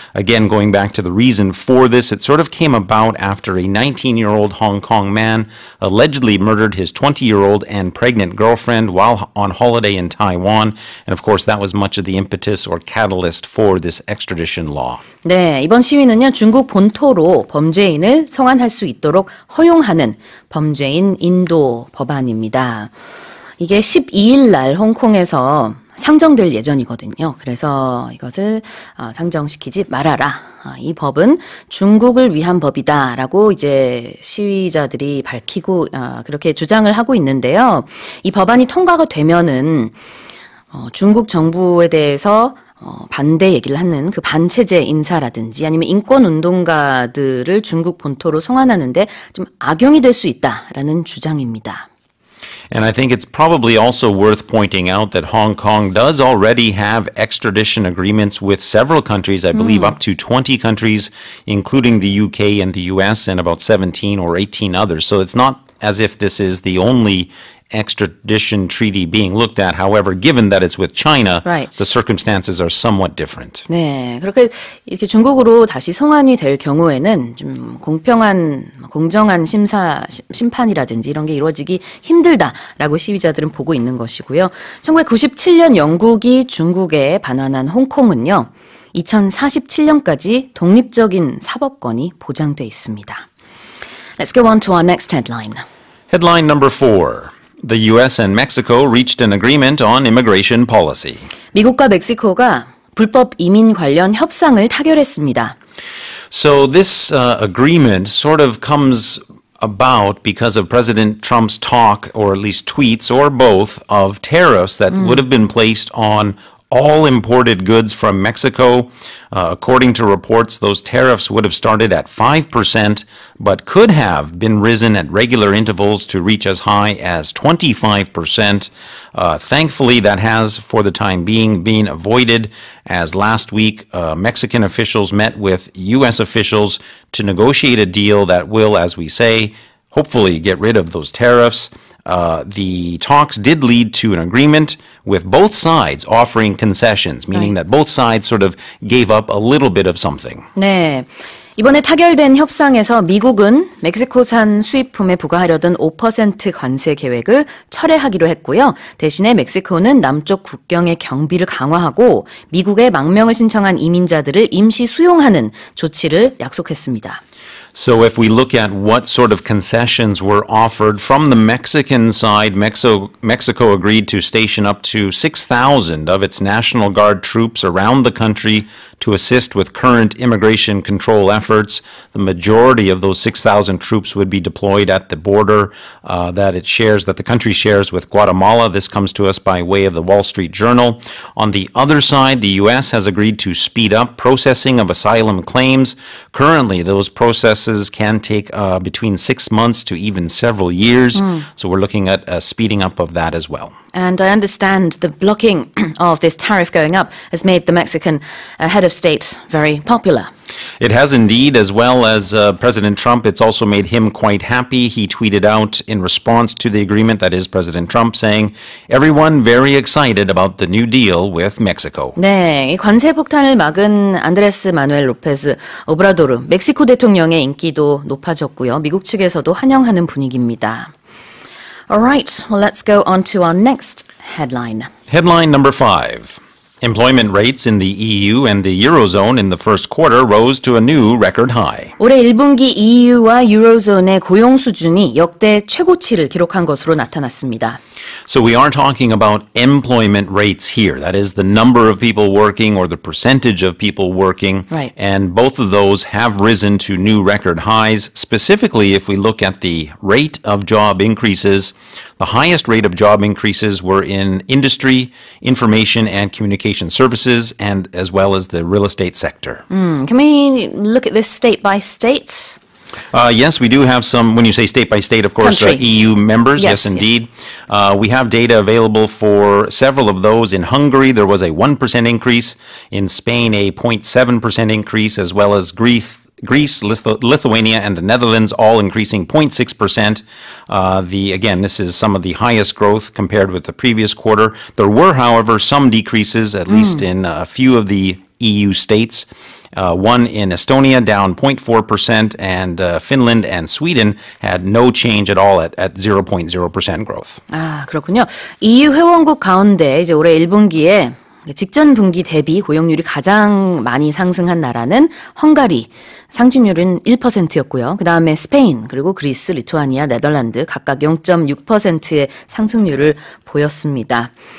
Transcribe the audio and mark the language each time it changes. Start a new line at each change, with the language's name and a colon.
English: Again, going back to the reason for this, it sort of came about after a 19-year-old Hong Kong man allegedly murdered his 20-year-old and pregnant girlfriend while on holiday in Taiwan. And of course, that was much of the impetus or catalyst for this extradition law.
Korean: 네, 이번 시위는요, 중국 본토로 범죄인을 송환할 수 있도록 허용하는 범죄인 인도 법안입니다. 이게 12일 날 홍콩에서 상정될 예정이거든요. 그래서 이것을 상정시키지 말아라. 이 법은 중국을 위한 법이다라고 이제 시위자들이 밝히고 그렇게 주장을 하고 있는데요. 이 법안이 통과가 되면은 중국 정부에 대해서 반대 얘기를 하는 그 반체제 인사라든지 아니면 인권 운동가들을 중국 본토로 송환하는데 좀 악용이 될 수 있다라는 주장입니다.
English: And I think it's probably also worth pointing out that Hong Kong does already have extradition agreements with several countries, I believe up to 20 countries, including the UK and the US and about 17 or 18 others. So it's not as if this is the only extradition treaty being looked at. However, given that it's with China, the circumstances are somewhat different.
Korean: 네, 그렇게 이렇게 중국으로 다시 송환이 될 경우에는 좀 공평한, 공정한 심사, 심판이라든지 이런 게 이루어지기 힘들다라고 시위자들은 보고 있는 것이고요. 1997년 영국이 중국에 반환한 홍콩은요, 2047년까지 독립적인 사법권이 보장돼 있습니다.
English: Let's go on to our next headline. Headline number four. The U.S. and Mexico reached an agreement on immigration policy.
Korean: 미국과 멕시코가 불법 이민 관련 협상을 타결했습니다.
English: So this agreement sort of comes about because of President Trump's talk, or at least tweets, or both, of tariffs that would have been placed on all imported goods from Mexico. According to reports, those tariffs would have started at 5%, but could have been risen at regular intervals to reach as high as 25%. Thankfully, that has, for the time being, been avoided, as last week, Mexican officials met with U.S. officials to negotiate a deal that will, as we say, hopefully get rid of those tariffs. The talks did lead to an agreement with both sides offering concessions, meaning that both sides sort of gave up a little bit of something.
Korean: 네. 이번에 타결된 협상에서 미국은 멕시코산 수입품에 부과하려던 5% 관세 계획을 철회하기로 했고요. 대신에 멕시코는 남쪽 국경의 경비를 강화하고 미국에 망명을 신청한 이민자들을 임시 수용하는 조치를 약속했습니다.
English: So if we look at what sort of concessions were offered from the Mexican side, Mexico agreed to station up to 6,000 of its National Guard troops around the country to assist with current immigration control efforts. The majority of those 6,000 troops would be deployed at the border that the country shares with Guatemala. This comes to us by way of the Wall Street Journal. On the other side, the U.S. has agreed to speed up processing of asylum claims. Currently, those processes can take between 6 months to even several years. Mm. So we're looking at speeding up of that as well. And I understand the blocking of this tariff going up has made the Mexican head of state very popular. It has indeed, as well as President Trump. It's also made him quite happy. He tweeted out in response to the agreement, that is President Trump, saying, "Everyone very excited about the new deal with Mexico."
Korean: 네, 관세 폭탄을 막은 안드레스 마누엘 로페즈 오브라도르, 멕시코 대통령의 인기도 높아졌고요. 미국 측에서도 환영하는 분위기입니다.
English: All right, well, let's go on to our next headline. Headline number 5. Employment rates in the EU and the Eurozone in the first quarter rose to a new record high.
Korean: 올해 1분기 EU와 유로존의 고용 수준이 역대 최고치를 기록한 것으로 나타났습니다.
English: So we are talking about employment rates here. That is the number of people working or the percentage of people working. Right. And both of those have risen to new record highs. Specifically, if we look at the rate of job increases, the highest rate of job increases were in industry, information and communication services, and as well as the real estate sector. Can we look at this state by state? Yes, we do have some, when you say state by state, of course, EU members, yes indeed. Yes. We have data available for several of those. In Hungary, there was a 1% increase. In Spain, a 0.7% increase, as well as Greece, Lithuania, and the Netherlands all increasing 0.6%. Again, this is some of the highest growth compared with the previous quarter. There were, however, some decreases, at least in a few of the EU states. One in Estonia down 0.4%, and Finland and Sweden had no change at all at 0.0% growth.
Korean: 아, 그렇군요. EU 회원국 가운데 이제 올해 1분기에 직전 분기 대비 고용률이 가장 많이 상승한 나라는 헝가리, 상승률은 1%였고요. 그 다음에 스페인, 그리고 그리스, 리투아니아, 네덜란드 각각 0.6%의 상승률을 보였습니다.